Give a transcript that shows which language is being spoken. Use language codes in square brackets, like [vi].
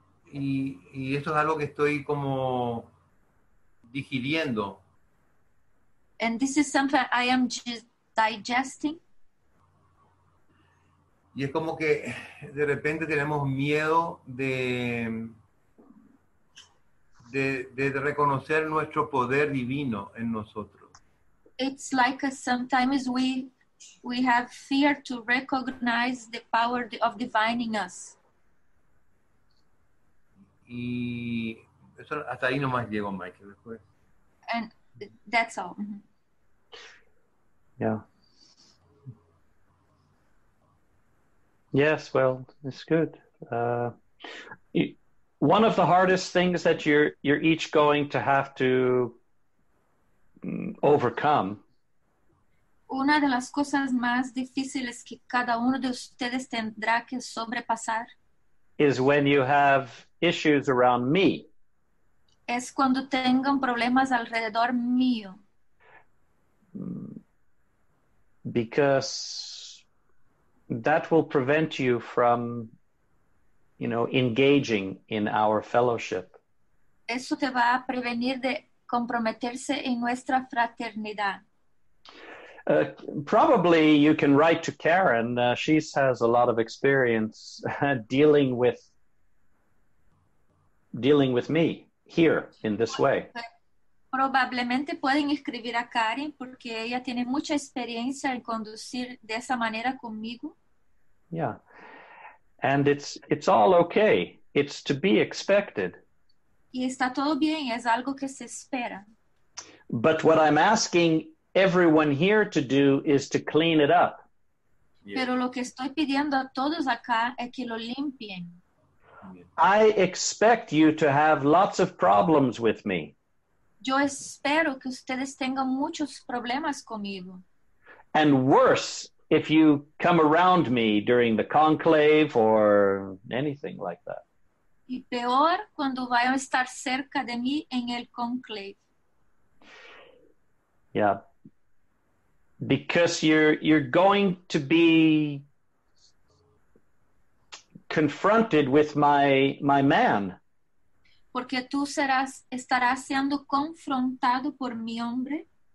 [es] Y esto es algo que estoy como digiriendo. [en] And this is something I am just digesting. [es] Y es como que de repente tenemos miedo de reconocer nuestro poder divino en nosotros. [en] It's like sometimes we have fear to recognize the power of divine in us. [es] Y eso, hasta ahí nomás llego, Michael, después. [en] And that's all. Mm-hmm. Yeah. Yes, well, it's good. One of the hardest things that you're each going to have to overcome. [es] Una de las cosas más difíciles que cada uno de ustedes tendrá que sobrepasar [en] is when you have issues around me. [es] Es cuando tengan problemas alrededor mío. [en] Because that will prevent you from, you know, engaging in our fellowship. [es] Eso te va a prevenir de comprometerse en nuestra fraternidad. [en] Probably you can write to Karen. She has a lot of experience dealing with me here in this way. [es] Probablemente pueden escribir a Karen porque ella tiene mucha experiencia en conducir de esa manera conmigo. [en] Yeah, and it's all okay. It's to be expected. [es] Y está todo bien, es algo que se espera. [en] But what I'm asking everyone here to do is to clean it up. Yes. [es] Pero lo que estoy pidiendo a todos acá es que lo limpien. [en] I expect you to have lots of problems with me. [es] Yo espero que ustedes tengan muchos problemas conmigo. [en] And worse, if you come around me during the conclave or anything like that. [es] Y peor cuando vayan a estar cerca de mí en el conclave. [en] Yeah. Because you're going to be confronted with my man. [es] Porque tú estarás siendo confrontado por mi hombre.